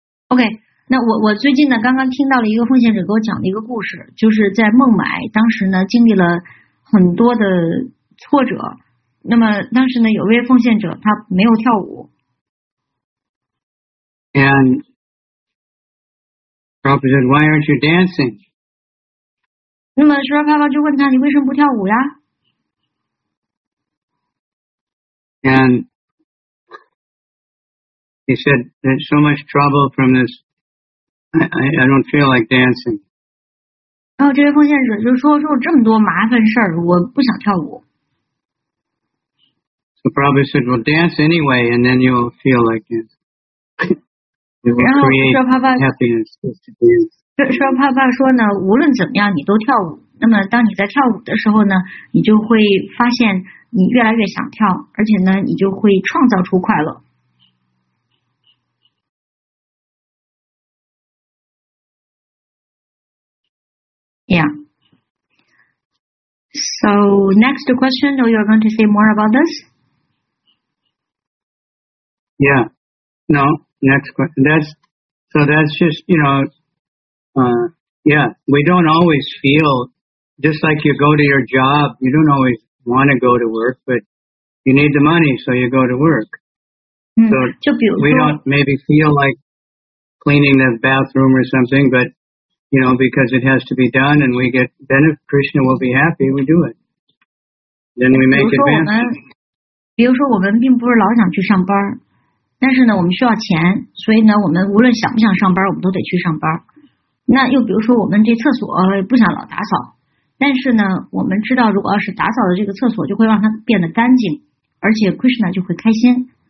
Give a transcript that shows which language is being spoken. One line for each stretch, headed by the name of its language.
Chinese: Okay, 那我最近呢，刚刚听到了一个奉献者给我讲的一个故事，就是在孟买，当时呢，经历了很多的挫折。那么当时呢，有位奉献者他没有跳舞。
English: And Prabhupada said, "Why aren't you dancing?"
Chinese: 那么舒拉帕帕就问他，你为什么不跳舞呀
English: ？And he said, "There's so much trouble from this. I don't feel like dancing."
Chinese: 然后这位奉献者就说："说我这么多麻烦事儿，我不想跳舞。"
English: So probably said, "Well, dance anyway, and then you'll feel like it. It will create happiness."
Chinese: 然后舍帕帕说呢："无论怎么样，你都跳舞。那么当你在跳舞的时候呢，你就会发现你越来越想跳，而且呢，你就会创造出快乐。"
English: So next question, or you're going to say more about this? Yeah. No, next question. That's just, you know, we don't always feel, just like you go to your job, you don't always want to go to work, but you need the money, so you go to work. So we don't maybe feel like cleaning the bathroom or something, but... You know, because it has to be done, and we get benefit. Krishna will be happy. We do it. Then we make advance.
Chinese: 比如说我们并不是老想去上班，但是呢，我们需要钱，所以呢，我们无论想不想上班，我们都得去上班。那又比如说，我们这厕所不想老打扫，但是呢，我们知道，如果要是打扫的这个厕所，就会让它变得干净，而且 Krishna 就会开心。